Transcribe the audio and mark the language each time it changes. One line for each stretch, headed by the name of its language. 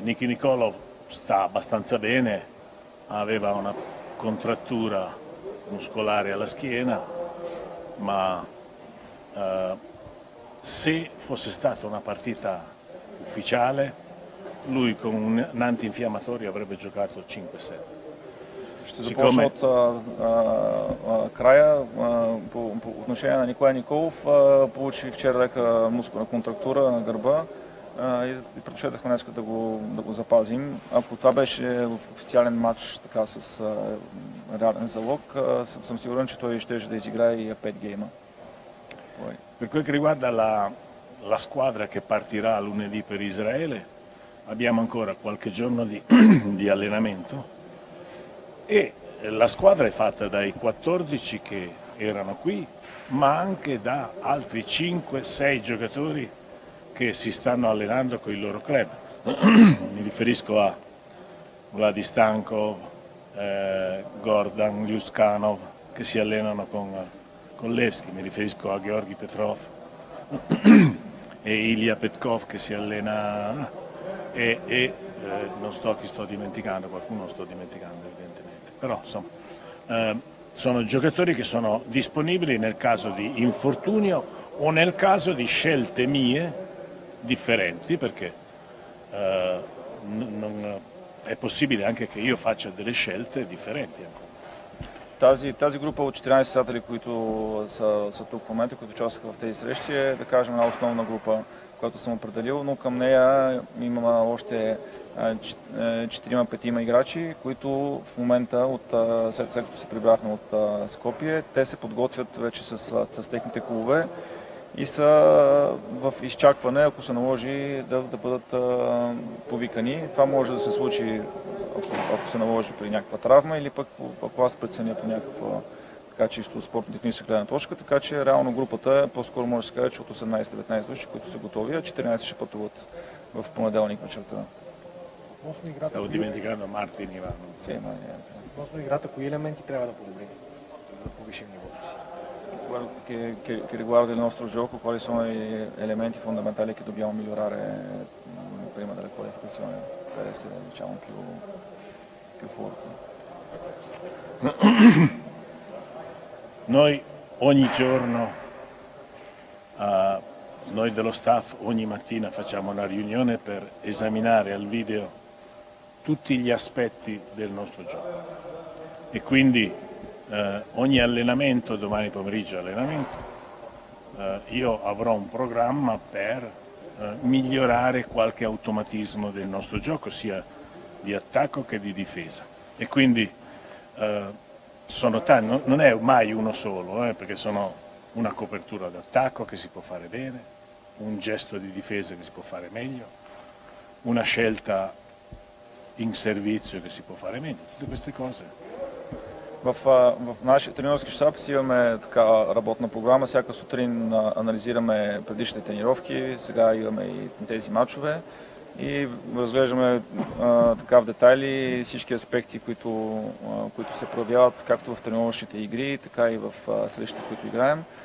Italian: Ники Николов sta abbastanza bene, aveva una contrattura muscolare alla schiena, ma se fosse stata una partita ufficiale lui con un antinfiammatorio avrebbe giocato 5-7.
Bulgarian: Siccome от края по отношение на Николай Николов получи вчера лека мускулна контрактура на гърба и предпочетахме днес да го запазим. Ако това беше официален матч така с реален залог, съм сигурен, че той щеше да изиграе и 5 гейма.
Italian: Per quel che riguarda la squadra che partirà lunedì per Israele, abbiamo ancora qualche giorno di allenamento. E la squadra è fatta dai 14 che erano qui, ma anche da altri 5-6 giocatori che si stanno allenando con il loro club. Mi riferisco a Vladi Stankov, Gordon, Ljuskanov, che si allenano con Levski. Mi riferisco a Georgi Petrov e Ilya Petkov che si allena qualcuno sto dimenticando. Però insomma, sono giocatori che sono disponibili nel caso di infortunio o nel caso di scelte mie differenti, perché è possibile anche che io faccia delle scelte differenti.
Bulgarian: Тази група от 14 сателли, които са тук в момента, които участваха в тези срещи, е, да кажем, една основна група, която съм определил, но към нея има още 4-5 играчи, които в момента, след като се прибрахме от Скопие, те се подготвят вече с техните клубове и са в изчакване, ако се наложи да бъдат повикани. Това може да се случи, ако се наложи при някаква травма или пък ако аз преценя по някаква така чисто спортно-техническа гледна точка. Така че реално групата е, по-скоро може да се каже, че от 18-19 души, които са готови, а 14 ще пътуват в понеделник вечерта.
Italian: Стало диментикано Мартин Иван.
Bulgarian: Относно играта, кои елементи трябва да подобрим, за да повишим нивото си?
Italian: Che riguarda il nostro gioco, quali sono gli elementi fondamentali che dobbiamo migliorare prima della qualificazione per essere, diciamo, più forti? Noi ogni giorno, noi dello staff, ogni mattina facciamo una riunione per esaminare al video tutti gli aspetti del nostro gioco e quindi ogni allenamento, domani pomeriggio allenamento, io avrò un programma per migliorare qualche automatismo del nostro gioco, sia di attacco che di difesa. E quindi sono tanti, non è mai uno solo, perché sono una copertura d'attacco che si può fare bene, un gesto di difesa che si può fare meglio, una scelta in servizio che si può fare meglio, tutte queste cose.
Bulgarian: В нашия тренировски щаб си имаме така работна програма. Всяка сутрин анализираме предишните тренировки, сега имаме и тези матчове и разглеждаме така в детайли всички аспекти, които се проявяват както в тренировъчните игри, така и в срещите, които играем.